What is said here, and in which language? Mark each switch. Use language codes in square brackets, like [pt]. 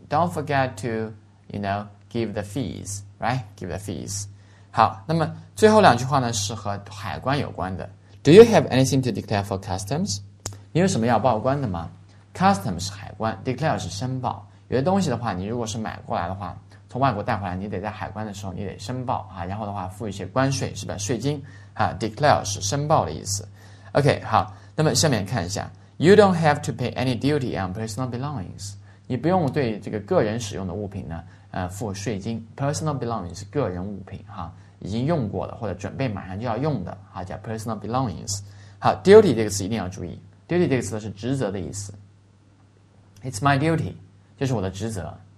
[en] Don't forget to, you know, give the fees, right? Give the fees. [zh] 好，那么最后两句话呢是和海关有关的。 [en] Do you have anything to declare for customs? [zh] 你有什么要报关的吗？Customs 是海关， declare 是申报。有些东西的话，你如果是买过来的话，从外国带回来，你得在海关的时候你得申报啊，然后的话付一些关税，是吧？税金啊。Declare 是申报的意思。 OK， 好，那么下面看一下。 [en] You don't have to pay any duty on personal belongings. [zh] 你不用对这个个人使用的物品呢，付税金。 Personal belongings 个人物品哈，已经用过的或者准备马上就要用的哈，叫 personal belongings。好 ，duty 这个词一定要注意 ，duty 这个词是职责的意思。 [en] It's my duty， [zh] 就是我的职责。